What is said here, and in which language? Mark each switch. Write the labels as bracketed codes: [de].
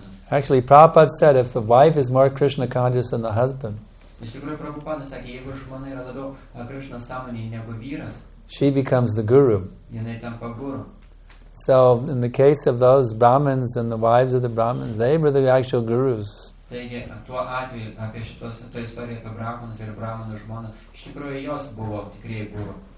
[en] Actually, Prabhupada said if the wife is more Krishna conscious than the husband, [lt] iš tikrųjų, Prabhupada sakė, jeigu žmona yra labiau Krishna sąmoniai negu vyras, [en] she becomes the guru. [lt] Jinai tampa guru. [en] So, in the case of those Brahmins and the wives of the Brahmins, they were the actual gurus. [lt] Taigi, tuo atveju, apie šitos istoriją apie Brahmins ir Brahmanų žmoną, iš tikrųjų, jos buvo tikrieji guru.